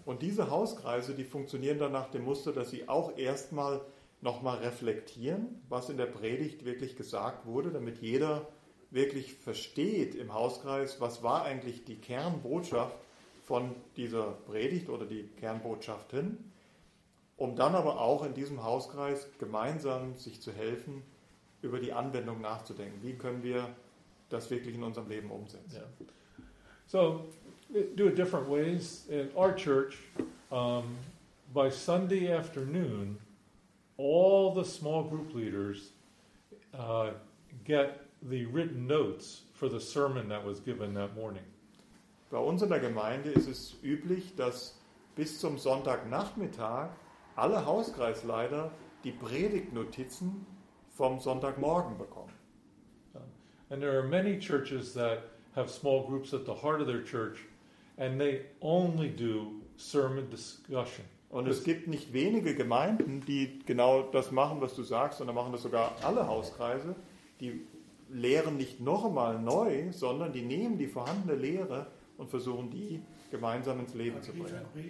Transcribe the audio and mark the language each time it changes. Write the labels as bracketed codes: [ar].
[de] Und diese Hauskreise, die funktionieren dann nach dem Muster, dass sie auch erstmal nochmal reflektieren, was in der Predigt wirklich gesagt wurde, damit jeder wirklich versteht im Hauskreis, was war eigentlich die Kernbotschaft von dieser Predigt oder die Kernbotschaftin, um dann aber auch in diesem Hauskreis gemeinsam sich zu helfen, über die Anwendung nachzudenken. Wie können wir das wirklich in unserem Leben umsetzen? [en] Yeah. So, do it different ways. In our church, by Sunday afternoon, all the small group leaders get the written notes for the sermon that was given that morning. [de] Bei uns in der Gemeinde ist es üblich, dass bis zum Sonntagnachmittag alle Hauskreisleiter die Predigtnotizen vom Sonntagmorgen bekommen. [en] And there are many churches that have small groups at the heart of their church and they only do sermon discussion. [de] Und es gibt nicht wenige Gemeinden, die genau das machen, was du sagst, sondern machen das sogar alle Hauskreise. Die lehren nicht nochmal neu, sondern die nehmen die vorhandene Lehre und versuchen, die gemeinsam ins Leben zu bringen.